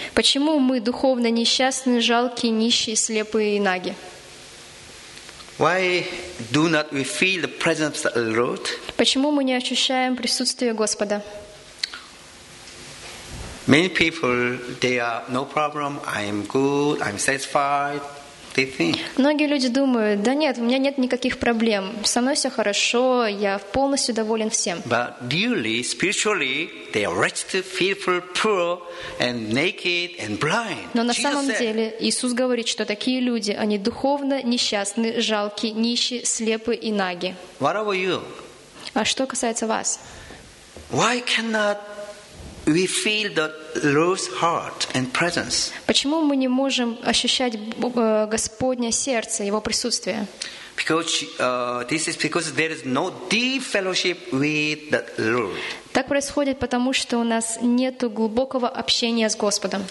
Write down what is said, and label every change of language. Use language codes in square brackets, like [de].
[ru] Почему мы духовно несчастны, жалкие, нищие, слепые и наги? [en] Why do not we feel the presence of the Lord? [ru] Почему мы не ощущаем присутствие Господа? [en] Many people, they are no problem. I am good. I'm satisfied. They think. [ru] Многие люди думают: да нет, у меня нет никаких проблем. Со мной все хорошо. Я полностью доволен всем. [en] But really, spiritually, they are wretched, fearful, poor, and naked and blind. [ru] Но на самом деле Иисус говорит, что такие люди, они духовно несчастны, жалки, нищи, слепы и наги. [en] What about you? [ru] А что касается вас? [en] Why cannot we feel the Lord's heart and presence? [ru] Почему мы не можем ощущать Господне сердце, Его присутствие? [en] Because this is because there is no deep fellowship with the Lord. [ru] Так происходит потому, что у нас нету глубокого общения с Господом.